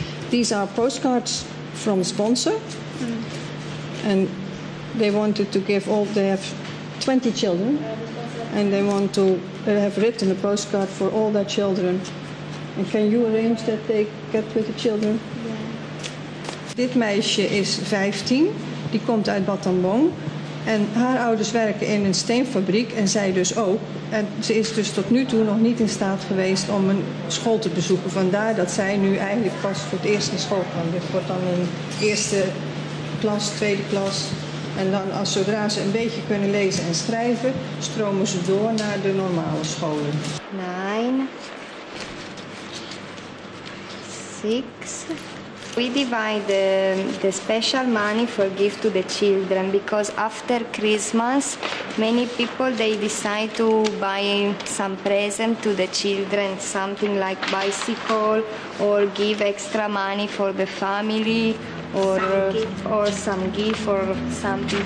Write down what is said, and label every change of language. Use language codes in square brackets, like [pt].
[en] These are postcards from a sponsor, and they wanted to give all, they have 20 children, and they want to have written a postcard for all their children. And can you arrange that they get with the children? Yeah. [nl] Dit meisje is 15, die komt uit Batambong. En haar ouders werken in een steenfabriek en zij dus ook. En ze is dus tot nu toe nog niet in staat geweest om een school te bezoeken. Vandaar dat zij nu eigenlijk pas voor het eerst naar school kan. Dit wordt dan een eerste klas, tweede klas. En dan als zodra ze een beetje kunnen lezen en schrijven, stromen ze door naar de normale scholen. 9, 6. [en] We divide the special money for gift to the children because after Christmas many people they decide to buy some present to the children, something like bicycle or give extra money for the family or some gift or something.